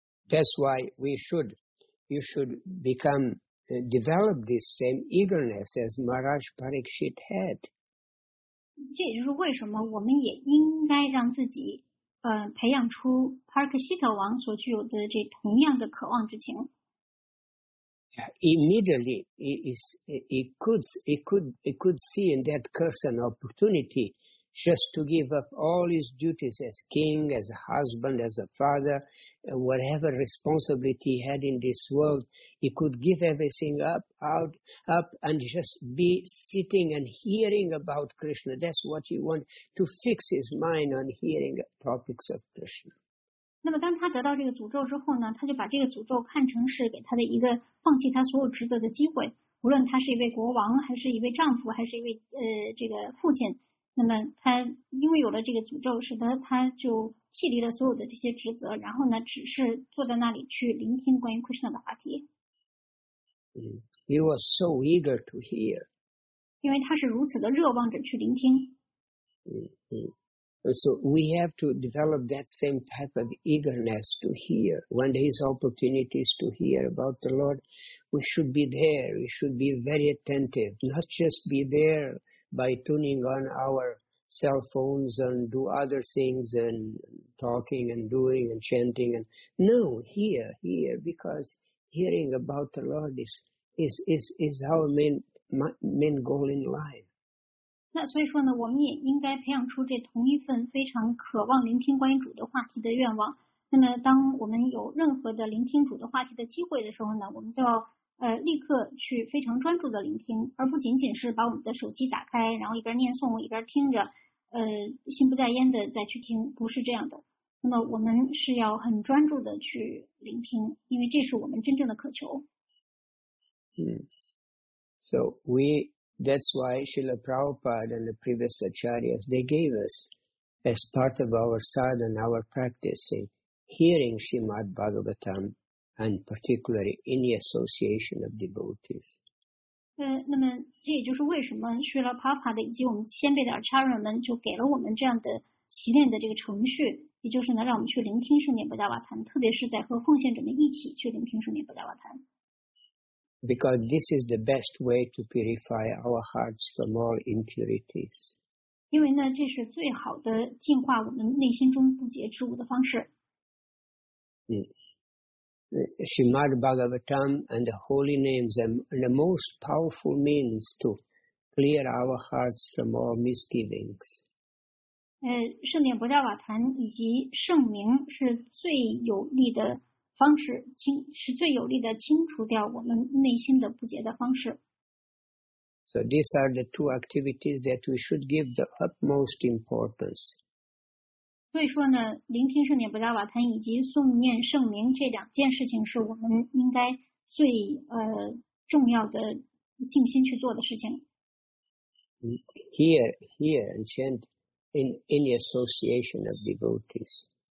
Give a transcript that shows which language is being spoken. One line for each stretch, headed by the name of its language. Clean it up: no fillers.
English: That's why you should become develop this same eagerness as Maharaj Parikshit had.
Chinese: 这也就是为什么我们也应该让自己培养出 Parikshit 王所具有的这同样的渴望之情。
English: Immediately, he could see in that curse an opportunity just to give up all his duties as king, as a husband, as a father. Whatever responsibility he had in this world, he could give everything up and just be sitting and hearing about Krishna. That's what he wants, to fix his mind on hearing topics of Krishna.
Chinese: 那么当他得到这个诅咒之后呢，他就把这个诅咒看成是给他的一个放弃他所有职责的机会。无论他是一位国王，还是一位丈夫，还是一位这个父亲，那么他拥有了这个诅咒，使得他就弃离了所有的这些职责，然后呢，只是坐在那里去聆听关于 Krishna 的话题。
English: He was so eager to hear.
Chinese: 因为他是如此的热望着去聆听。
English: So we have to develop that same type of eagerness to hear. When there is opportunities to hear about the Lord, we should be there. We should be very attentive. Not just be there by tuning on our cell phones and do other things and talking and doing and chanting and no, hear, because hearing about the Lord is our main goal in life.
Chinese: 那所以说呢，我们也应该培养出这同一份非常渴望聆听关于主的话题的愿望。那么当我们有任何的聆听主的话题的机会的时候呢，我们就要立刻去非常专注的聆听，而不仅仅是把我们的手机打开，然后一边念诵一边听着，心不在焉的再去听，不是这样的。那么我们是要很专注的去聆听，因为这是我们真正的渴求。
English: So that's why Srila Prabhupada and the previous acharyas, they gave us as part of our sadhana, our practicing, hearing Srimad Bhagavatam. And particularly in the association of devotees.
Chinese: 那么这也就是为什么 Srila Prabhupada 以及我们先辈的 Acharya 们就给了我们这样的习练的这个程序，也就是呢，让我们去聆听圣殿布达瓦坛，特别是在和奉献者们一起去聆听圣殿布达瓦坛。
English: Because this is the best way to purify our hearts from all impurities.
Chinese: 因为呢，这是最好的净化我们内心中不洁之物的方式。
English: Srimad Bhagavatam and the holy names are the most powerful means to clear our hearts from all misgivings.
Chinese: 圣殿布达瓦坛以及圣名是最有力的方式，是最有力的清除掉我们内心的不洁的方式。
English: So these are the two activities that we should give the utmost importance.
Chinese: 所以说呢，聆听圣殿布达瓦坛以及诵念圣名这两件事情是我们应该最重要的静心去做的事情。
English: Here and chant in any association of devotees.